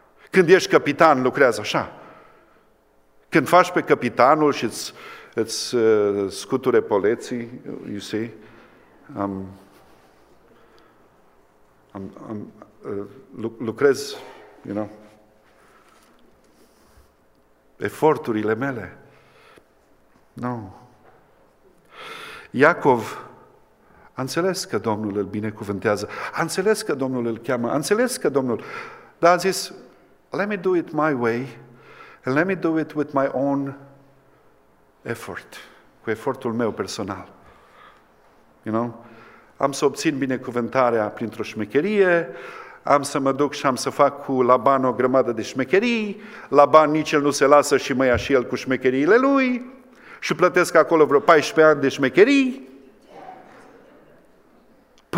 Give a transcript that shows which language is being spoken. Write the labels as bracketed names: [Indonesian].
[Romanian] Când ești capitan, lucrează așa. Când faci pe capitanul și îți scuture poleții, [English] you see, [Romanian] lucrez... [English] You know? [Romanian] Eforturile mele. Nu. [English] No. [Romanian] Iacov a înțeles că Domnul îl binecuvântează. A înțeles că Domnul îl cheamă. A înțeles că Domnul... Dar a zis, [English] let me do it my way and let me do it with my own effort. [Romanian] Cu efortul meu personal. [English] You know? [Romanian] Am să obțin binecuvântarea printr-o șmecherie. Am să mă duc și am să fac cu Laban o grămadă de șmecherii, Laban nici el nu se lasă și mă ia și el cu șmecheriile lui și plătesc acolo vreo 14 ani de șmecherii. P-